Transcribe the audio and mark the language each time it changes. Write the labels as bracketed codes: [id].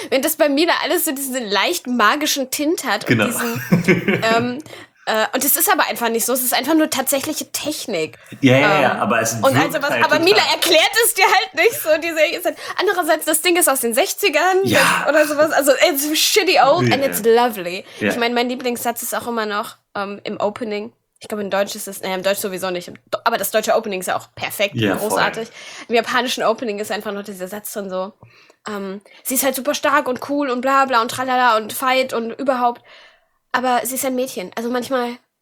[de] Wenn das bei Mila alles so diesen leicht magischen Tint hat. Genau. Und es ist aber einfach nicht so, es ist einfach nur tatsächliche Technik. Ja, aber es ist also was, halt aber total. Mila erklärt es dir halt nicht so. Andererseits, das Ding ist aus den 60ern oder sowas. [en] Also, it's shitty old and it's lovely. [de] Ja. Ich meine, mein Lieblingssatz ist auch immer noch im Opening. Ich glaube, im Deutsch sowieso nicht. Aber das deutsche Opening ist ja auch perfekt, großartig. Voll. Im japanischen Opening ist einfach nur dieser Satz drin so. Sie ist halt super stark und cool und bla bla und tralala und fight und überhaupt. Aber sie ist ein Mädchen. Also manchmal